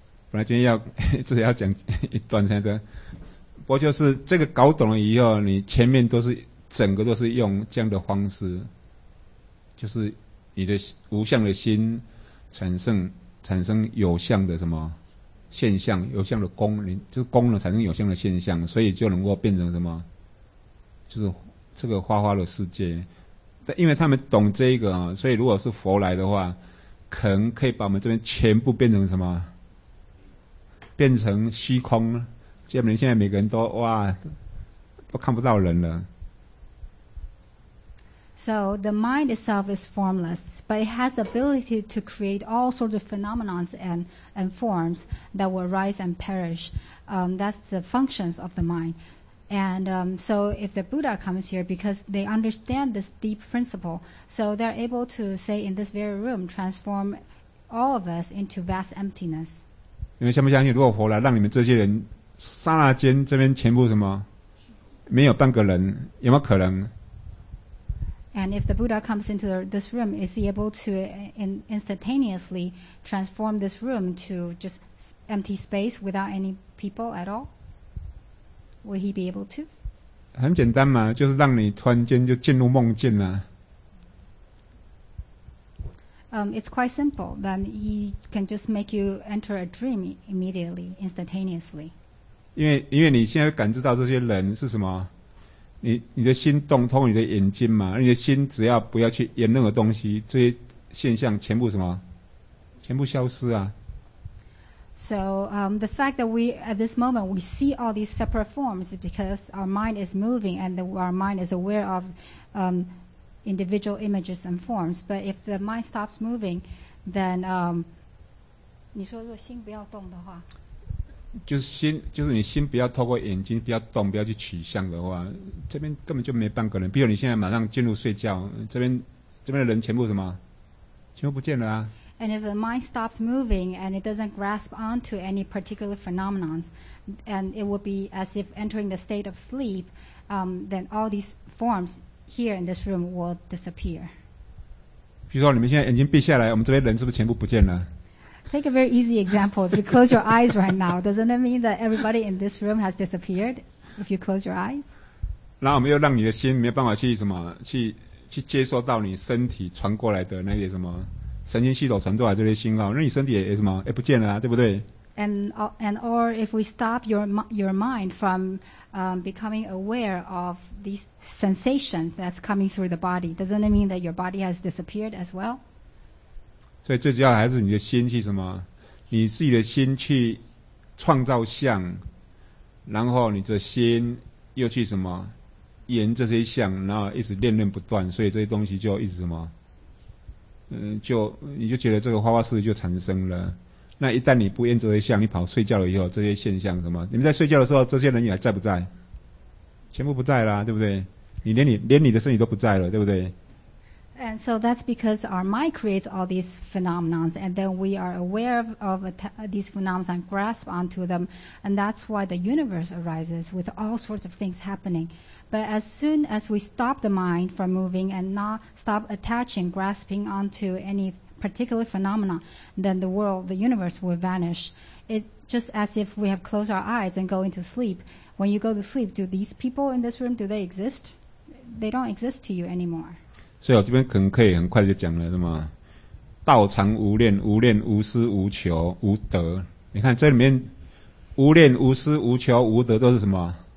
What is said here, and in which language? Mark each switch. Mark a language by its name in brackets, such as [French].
[Chinese] 本来今天要就是要讲一段才的，不过就是这个搞懂了以后，你前面都是整个都是用这样的方式，就是你的无相的心产生有相的什么现象，有相的功能，就是功能产生有相的现象，所以就能够变成什么，就是这个花花的世界。但因为他们懂这个啊，所以如果是佛来的话，可能可以把我们这边全部变成什么，变成虚空，结果现在每个人都哇，都看不到人了。 [English] So the mind itself is formless, but it has the ability to create all sorts of phenomenons and forms that will rise and perish. That's the functions of the mind. And so if the Buddha comes here, because they understand this deep principle, so they're able to say in this very room, transform all of us into vast emptiness. [Chinese] 你们相不相信？如果佛来，让你们这些人刹那间这边全部什么，没有半个人，有没有可能 [English] ？And if the Buddha comes into this room, is he able to instantaneously transform this room to just empty space without any people at all? Will he be able to? [Chinese] 很简单嘛，就是让你突然间就进入梦境了。 [English] It's quite simple. Then he can just make you enter a dream immediately, instantaneously. [Chinese] 因为你现在感知到这些人是什么，你的心动通你的眼睛嘛，你的心只要不要去演任何东西，这些现象全部什么，全部消失啊。 [English] So the fact that we at this moment we see all these separate forms is because our mind is moving and our mind is aware of. Individual images and forms, but if the mind stops moving, then [Chinese] 你说如果心不要动的话，就是你心不要透过眼睛不要动，不要去取相的话，这边根本就没半个人。比如你现在马上进入睡觉，这边的人全部什么，全部不见了啊。 [English] And if the mind stops moving and it doesn't grasp onto any particular phenomenon, and it would be as if entering the state of sleep, then all these forms. Here in this room will disappear. [Chinese] 比如说你们现在眼睛闭下来，我们这边人是不是全部不见了？ [English] Take a very easy example. If you close your eyes right now, doesn't it mean that everybody in this room has disappeared if you close your eyes? [Chinese] 那我们又让你的心没有办法去什么，去接受到你身体传过来的那些什么神经系统传过来的这些信号，那你身体也什么也不见了啊，对不对？ [English] And or if we stop your mind from becoming aware of these sensations that's coming through the body, doesn't it mean that your body has disappeared as well? [Chinese] 所以最主要还是你的心去什么？你自己的心去创造相，然后你的心又去什么？沿这些相，然后一直念念不断，所以这些东西就一直什么？你就觉得这个花花世界就产生了。那一旦你不厌这些相，你跑睡觉了以后，这些现象什么？你们在睡觉的时候，这些人也还在不在？全部不在啦，对不对？你连你连你的身体都不在了，对不对？ [English] And so that's because our mind creates all these phenomena, and then we are aware of these phenomena and grasp onto them, and that's why the universe arises with all sorts of things happening. But as soon as we stop the mind from moving and not stop attaching, grasping onto any particular phenomena, then the world, the universe will vanish. It's just as if we have closed our eyes and go into sleep. When you go to sleep, do these people in this room, do they exist? They don't exist to you anymore. [Chinese] 所以我这边可能可以很快就讲了，是吗？道常无恋，无恋无思无求无得。你看这里面无恋无思无求无得都是什么？